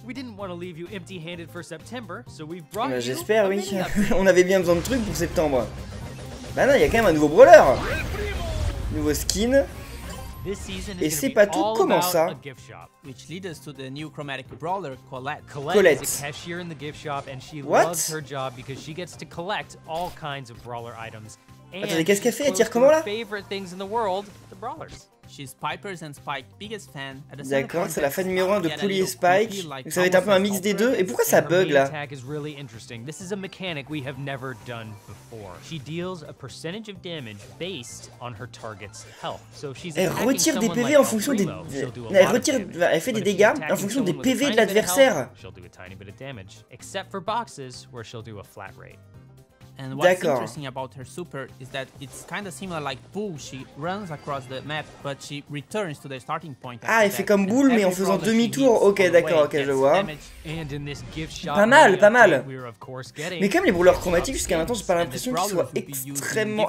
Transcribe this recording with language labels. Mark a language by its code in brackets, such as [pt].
[en] We didn't want to leave you empty-handed for September, so we brought you. [fr] J'espère, oui. On avait bien besoin de trucs pour septembre. Bah non, il y a quand même un nouveau brawler. Nouveau skin. Et c'est pas tout, comment ça? [en] Which leads us to the new chromatic brawler Colette. Colette is a cashier in the gift shop and she loves her job because she gets to collect all kinds of brawler items. [fr] Attendez, qu'est-ce qu'elle fait? Elle tire comment là? [en] Favorite things in the world, the brawlers. She's Piper's and Spike's biggest fan. [fr] D'accord, c'est la fan numéro 1 de Pouli et Spike. Donc ça va être un peu un mix des deux. Et pourquoi ça bug là? [en] Really interesting. This is a mechanic we have never done before. She deals a percentage of damage based on her target's health. So she's [fr] elle retire des PV en fonction des elle fait des dégâts en fonction des PV de l'adversaire. [en] She'll do a tiny bit of damage except for boxes where she'll do a flat rate. And what's interesting about her super is that it's kind of similar like Boo. She runs across the map, but she returns to the starting point. [fr] Ah, elle fait comme Boo, mais en faisant demi-tour. Ok, d'accord, ok, je vois. Pas mal, pas mal. Mais comme les brawlers chromatiques, jusqu'à maintenant, j'ai pas l'impression qu'ils soient extrêmement...